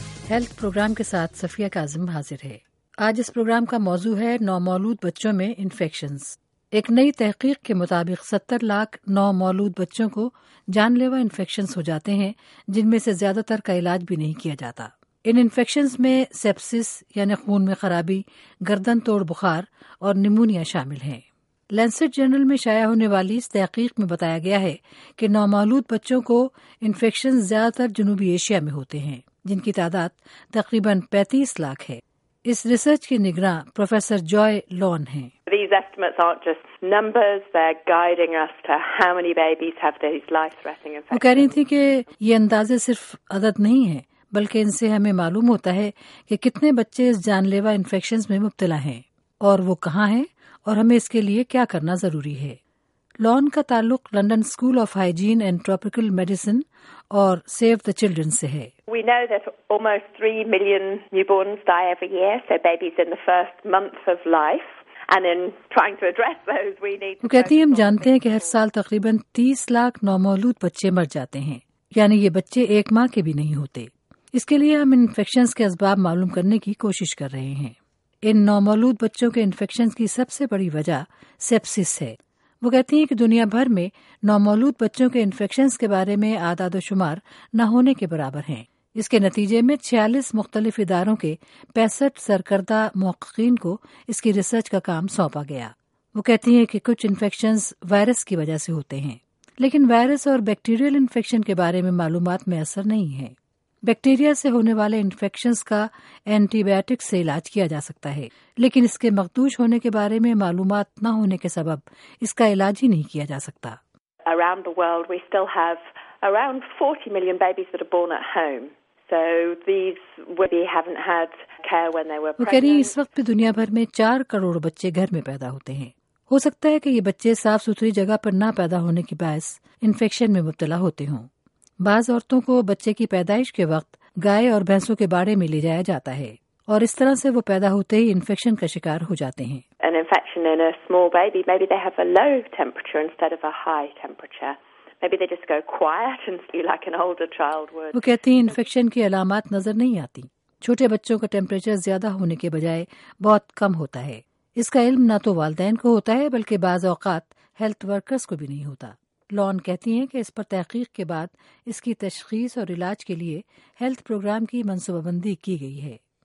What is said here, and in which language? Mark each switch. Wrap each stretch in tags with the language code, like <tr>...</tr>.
<ur>Health programme کے ساتھ صفیہ کاظم حاضر ہے۔ آج اس پروگرام کا موضوع ہے نومولود بچوں میں انفیکشنز۔ ایک نئی تحقیق کے مطابق 70 لاکھ نومولود بچوں کو جان لیوا انفیکشنز ہو جاتے ہیں، جن میں سے زیادہ تر کا علاج بھی نہیں کیا جاتا۔ ان انفیکشنز میں سیپسس یعنی خون میں خرابی، گردن توڑ بخار اور نمونیا شامل ہیں۔ لینسٹ جنرل میں شائع ہونے والی اس تحقیق میں بتایا گیا ہے کہ نومولود بچوں کو انفیکشن زیادہ تر جنوبی ایشیا میں ہوتے ہیں، جن کی تعداد تقریباً 35 لاکھ ہے۔ اس ریسرچ کے نگراں پروفیسر جوائے لون ہیں۔</ur> <en>These these estimates aren't just numbers, they're guiding us to how many babies have these life-threatening infections.</en> <ur>وہ کہہ رہی تھی کہ یہ اندازے صرف عدد نہیں ہیں بلکہ ان سے ہمیں معلوم ہوتا ہے کہ کتنے بچے اس جان لیوا انفیکشنز میں مبتلا ہیں اور وہ کہاں ہیں اور ہمیں اس کے لیے کیا کرنا ضروری ہے. لون کا تعلق London school of hygiene and tropical medicine اور سیو دا چلڈرن سے ہے.</ur> <en>We know that almost 3 million newborns die every year, so babies in the first month of life. And in trying to address those, we need to...</en> <ur>وہ کہتی ہیں ہم جانتے ہیں کہ ہر سال تقریباً 30 لاکھ نومولود بچے مر جاتے ہیں, یعنی یہ بچے ایک ماہ کے بھی نہیں ہوتے. اس کے لیے ہم انفیکشنز کے اسباب معلوم کرنے کی کوشش کر رہے ہیں. ان نومولود بچوں کے انفیکشنز کی سب سے بڑی وجہ سیپسس ہے. وہ کہتی ہیں کہ دنیا بھر میں نومولود بچوں کے انفیکشنز کے بارے میں اعداد و شمار نہ ہونے کے برابر ہیں. اس کے نتیجے میں 46 مختلف اداروں کے 65 سرکردہ محققین کو اس کی ریسرچ کا کام سونپا گیا. وہ کہتی ہیں کہ کچھ انفیکشنز وائرس کی وجہ سے ہوتے ہیں, لیکن وائرس اور بیکٹیریل انفیکشن کے بارے میں معلومات میں اثر نہیں ہے. بیکٹیریا سے ہونے والے انفیکشنز کا اینٹی بایوٹک سے علاج کیا جا سکتا ہے, لیکن اس کے مخدوش ہونے کے بارے میں معلومات نہ ہونے کے سبب اس کا علاج ہی نہیں کیا جا سکتا.</ur> <en>Around the world we still have around 40 million babies that are born at home. So these baby haven't had care when they were pregnant.</en> <ur>وہ کہہ رہی ہیں اس وقت بھی دنیا بھر میں 4 کروڑ بچے گھر میں پیدا ہوتے ہیں. ہو سکتا ہے کہ یہ بچے صاف ستھری جگہ پر نہ پیدا ہونے کے باعث انفیکشن میں مبتلا ہوتے ہوں. بعض عورتوں کو بچے کی پیدائش کے وقت گائے اور بھینسوں کے باڑے میں لے جایا جاتا ہے اور اس طرح سے وہ پیدا ہوتے ہی انفیکشن کا شکار ہو جاتے ہیں.</ur> <en>An infection in a small baby, maybe they have a low temperature instead of a high temperature. Maybe they just go quiet and feel like an older child would.</en> <ur>وہ کہتی ہیں انفیکشن کی علامات نظر نہیں آتی. چھوٹے بچوں کا ٹیمپریچر زیادہ ہونے کے بجائے بہت کم ہوتا ہے. اس کا علم نہ تو والدین کو ہوتا ہے بلکہ بعض اوقات ہیلتھ ورکرز کو بھی نہیں ہوتا. لون کہتی ہیں کہ اس پر تحقیق کے بعد اس کی تشخیص اور علاج کے لیے ہیلتھ پروگرام کی منصوبہ بندی کی گئی ہے.</ur>